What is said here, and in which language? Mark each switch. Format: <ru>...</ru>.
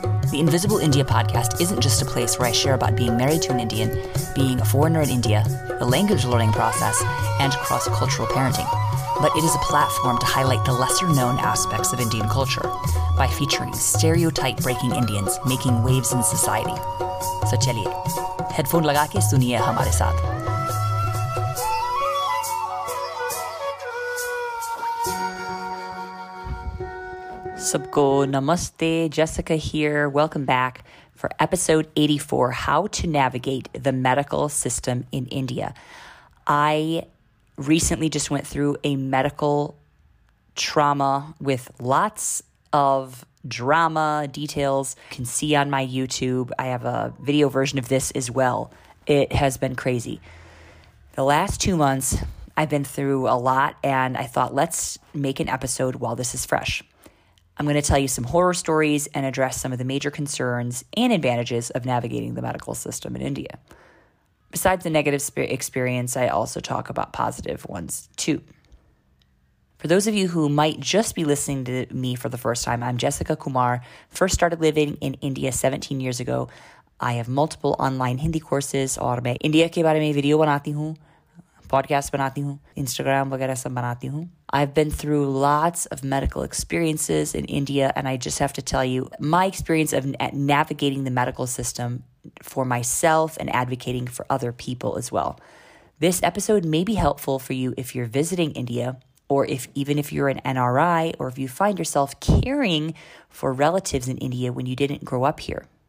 <en>The Invisible India podcast isn't just a place where I share about being married to an Indian, being a foreigner in India, the language learning process, and cross-cultural parenting, but it is a platform to highlight the lesser-known aspects of Indian culture by featuring stereotype-breaking Indians making waves in society.</en> <hi>सो चलिए, headphone लगा के सुनिए हमारे साथ. सबको नमस्ते,</hi> <en>Jessica here. Welcome back for episode 84, How to Navigate the Medical System in India. I recently just went through a medical trauma with lots of drama details. You can see on my YouTube, I have a video version of this as well. It has been crazy. The last 2 months, I've been through a lot, and I thought, let's make an episode while this is fresh. I'm going to tell you some horror stories and address some of the major concerns and advantages of navigating the medical system in India. Besides the negative experience, I also talk about positive ones too. For those of you who might just be listening to me for the first time, I'm Jessica Kumar. First started living in India 17 years ago. I have multiple online Hindi courses.</en> <hi>और मैं India के बारे में video बनाती हूँ, podcast बनाती हूँ, Instagram वगैरा सब बनाती हूँ.</hi> <en>I've been through lots of medical experiences in India, and I just have to tell you, my experience of navigating the medical system for myself and advocating for other people as well. This episode may be helpful for you if you're visiting India, or if even if you're an NRI, or if you find yourself caring for relatives in India when you didn't grow up here.</en>